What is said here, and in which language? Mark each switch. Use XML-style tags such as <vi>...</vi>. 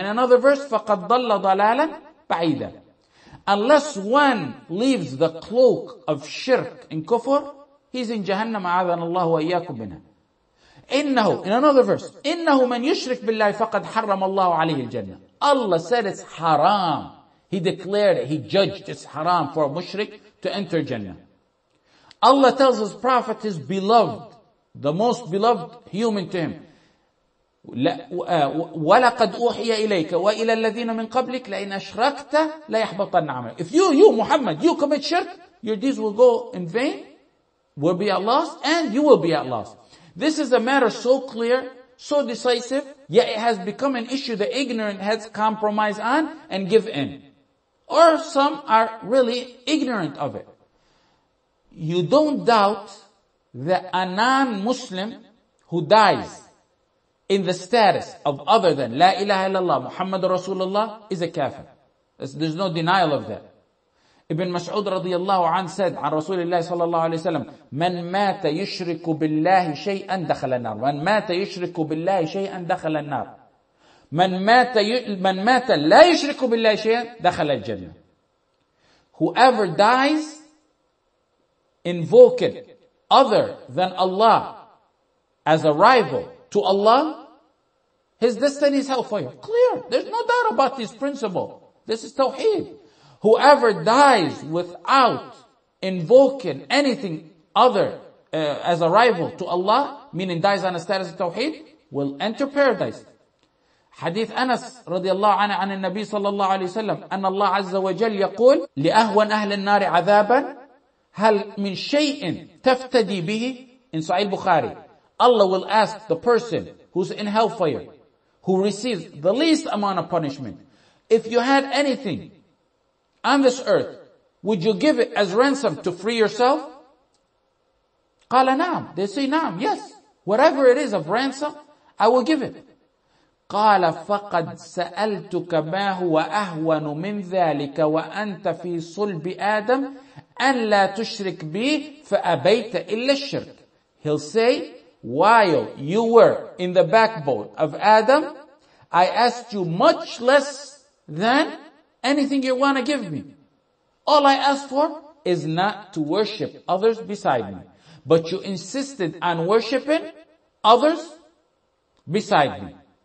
<en>In another verse,</en> <ar>فَقَدْ ضَلَّ ضَلَالًا بَعِيدًا.</ar> <en>Unless one leaves the cloak of shirk and kufr, he's in Jahannam,</en> <ar>أَعَذَنَ اللَّهُ وَإِيَّاكُمْ مِنْهَا. إِنَّهُ,</ar> <en>in another verse,</en> <ar>إِنَّهُ مَنْ يُشْرِكْ بِاللَّهِ فَقَدْ حَرَّمَ اللَّهُ عَلَيْهِ الْجَنَّةِ.</ar> <en>Allah said it's haram. He declared it. He judged it's haram for a mushrik to enter Jannah. Allah tells His Prophet, His beloved, the most beloved human to Him,</en> <ar>وَلَقَدْ أُوحِيَ إِلَيْكَ وَإِلَى الَّذِينَ مِنْ قَبْلِكَ لَئِنْ أَشْرَكْتَ لَيَحْبَطَنَّ عَمَلُكَ.</ar> <en>If you Muhammad, you commit shirk, your deeds will go in vain, will be at loss, and you will be at loss. This is a matter so clear, so decisive, yet it has become an issue that ignorant heads compromise on and give in. Or some are really ignorant of it. You don't doubt that a non-Muslim who dies in the status of other than La ilaha illallah, Muhammad Rasulullah, is a kafir. There's no denial of that. Ibn Mas'ud radiyallahu an said,</en> <ar>عن رسول الله صلى الله عليه وسلم, من مات يشرك بالله شيئا دخل النار. من مات يشرك بالله شيئا دخل النار. من مات لا يشرك بالله شيئا دخل الجنة.</ar> <en>Whoever dies invoking other than Allah as a rival to Allah, his destiny is hellfire. Clear. There's no doubt about this principle. This is tawheed. Whoever dies without invoking anything other as a rival to Allah, meaning dies on a status of tawheed, will enter paradise.</en> <ar>حديث أنس رضي الله عنه عن النبي صلى الله عليه وسلم أن الله عز وجل يقول لأهون أهل النار عذابا هل من شيء تفتدي به.</ar> <en>In Sahih Bukhari, Allah will ask the person who's in hellfire, who receives the least amount of punishment, if you had anything on this earth, would you give it as ransom to free yourself?</en> <ar>قال نعم.</ar> <en>They say نعم, yes. Whatever it is of ransom, I will give it.</en> <ar>قال فقد سألتك ما هو أهون من ذلك وأنت في صلب آدم أن لا تشرك بي فأبيت إلا الشرك.</ar> <en>He'll say, while you were in the backbone of Adam, I asked you much less than anything you want to give me. All I asked for is not to worship others beside me. But you insisted on worshiping others beside me.</en>